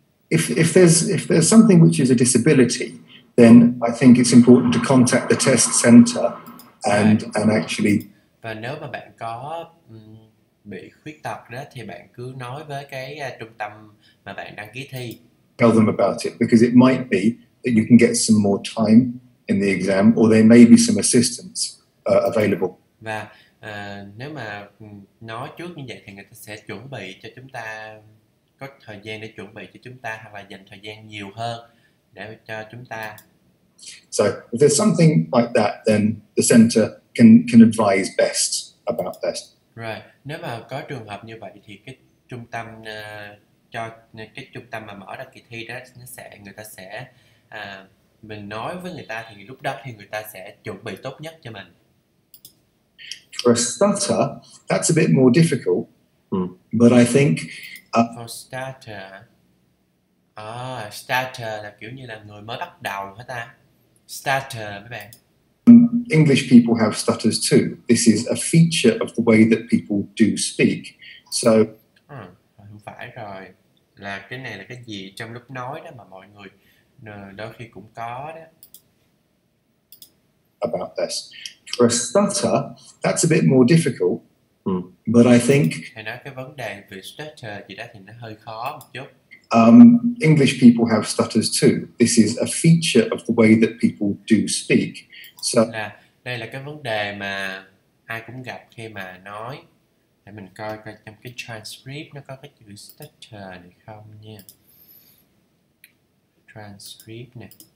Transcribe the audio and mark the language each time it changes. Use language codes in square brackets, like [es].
[en] So if there's something which is a disability, then I think it's important to contact the test center and actually. [vi] Và nếu mà bạn có bị khuyết tật đó thì bạn cứ nói với cái trung tâm mà bạn đăng ký thi. [en] Tell them about it, because it might be that you can get some more time in the exam, or there may be some assistance available. [vi] Và nếu mà nói trước như vậy thì người ta sẽ chuẩn bị cho chúng ta có thời gian để chuẩn bị cho chúng ta, hoặc là dành thời gian nhiều hơn để cho chúng ta. [en] So if there's something like that, then the center can advise best about that. Right. [vi] Nếu mà có trường hợp như vậy thì cái trung tâm cho cái trung tâm mà mở ra kỳ thi đó, nó sẽ người ta sẽ mình nói với người ta thì lúc đó thì người ta sẽ chuẩn bị tốt nhất cho mình. [en] For a starter, that's a bit more difficult, but I think. For starter, [vi] starter là kiểu như là người mới bắt đầu hả ta? Starter, mấy bạn. [en] English people have stutters too. This is a feature of the way that people do speak. So. [vi] Không phải rồi. Là cái này là cái gì trong lúc nói đó mà mọi người. Đôi khi cũng có đó. [en] About this. For a stutter, that's a bit more difficult. But I think. [vi] Thầy nói cái vấn đề về stutter gì đó thì nó hơi khó một chút. [en] English people have stutters too. This is a feature of the way that people do speak. So. [vi] Là, đây là cái vấn đề mà ai cũng gặp khi mà nói. Để mình coi trong cái transcript nó có cái chữ stutter này không nha. Transcript nè.